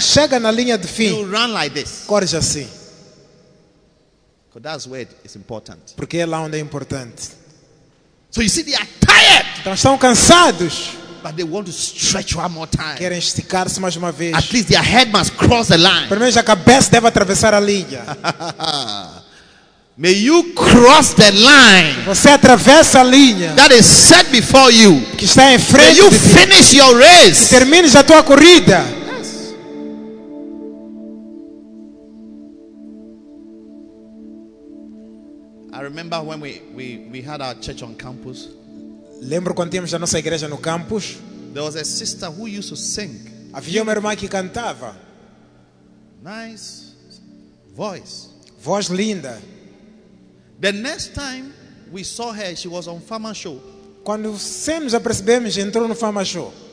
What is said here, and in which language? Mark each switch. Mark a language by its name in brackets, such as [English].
[Portuguese] chega na linha de fim, [English] you run like this. [Portuguese] Corre assim. [English] Because that's where it's important. [Portuguese] Porque é lá onde é importante. [English] So you see, they are tired. [Portuguese] Então estão cansados. [English] But they want to stretch one more time. [Portuguese] Querem esticar-se mais uma vez. [English] At least their head must cross the line. [Portuguese] Pelo menos a cabeça deve atravessar a linha. [English] May you cross the line. [Portuguese] Você atravessa a linha. [English] That is set before you. [Portuguese] Que está em frente. [English] May you finish your race. [Portuguese] Que termines a tua corrida. [English] Yes. I remember when we had our church on campus. [Portuguese] Lembro quando tínhamos a nossa igreja no campus. [English] There was a sister who used to sing. [Portuguese] Havia uma irmã que cantava. [English] Nice voice. [Portuguese] Voz linda. [English] The next time we saw her, she was on Fama Show. [Portuguese] Quando nos apercebemos, entrou no Fama Show.